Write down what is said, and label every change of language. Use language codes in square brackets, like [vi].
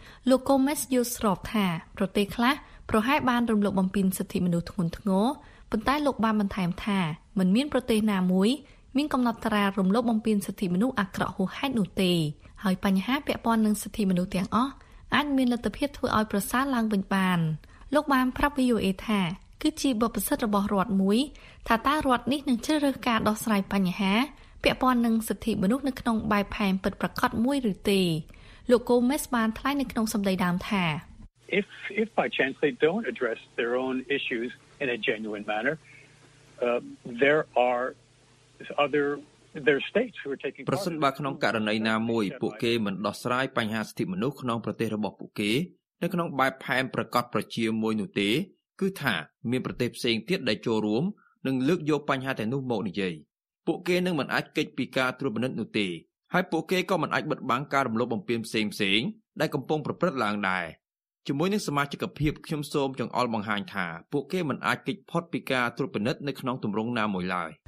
[km] លោក Gomez យល់ស្របថាប្រទេសខ្លះប្រហែលបានរំលោភបំពានសិទ្ធិមនុស្សធ្ងន់ធ្ងរប៉ុន្តែលោកបានបន្ថែមថាមិនមានប្រទេសណាមួយមានកំណត់ត្រារំលោភបំពានសិទ្ធិមនុស្សអាក្រក់ហួសហេតុនោះទេហើយបញ្ហាពាក់ព័ន្ធនឹងសិទ្ធិមនុស្សទាំងអស់អាចមានលទ្ធភាពធ្វើឲ្យប្រសើរឡើងវិញបាន លោកបានប្រាប់ VOA ថាគឺជាបទពិសោធន៍របស់រដ្ឋមួយថាតើរដ្ឋនេះនឹងជ្រើសរើសការដោះស្រាយបញ្ហាពាក់ព័ន្ធនឹងសិទ្ធិមនុស្សនៅក្នុងបែបផែនពិតប្រកបមួយឬទេលោក Gomez បានថ្លែងនៅក្នុងសម្ដីដើមថា [en] If by chance they don't address their own issues in a genuine manner there are other their states who are taking [km] ប្រសិនបើក្នុងករណីណាមួយពួកគេមិនដោះស្រាយបញ្ហាសិទ្ធិមនុស្សក្នុងប្រទេសរបស់ពួកគេនៅក្នុងបែបផែនប្រកបប្រជាមួយនោះទេគឺថាមានប្រទេសផ្សេងទៀតដែលចូលរួមនិងលើកយកបញ្ហាទាំងនោះមកនិយាយពួកគេនឹងមិនអាចគេចពីការត្រួតពិនិត្យនោះទេហើយពួកគេក៏មិនអាចបិទបាំងការរំលោភបំពានផ្សេងៗដែលកំពុងប្រព្រឹត្តឡើងដែរជាមួយនឹងសមាជិកភាពខ្ញុំសូមចង្អុលបង្ហាញថាពួកគេមិនអាចគេចផុតពីការត្រួតពិនិត្យនៅក្នុងទម្រង់ណាមួយឡើយ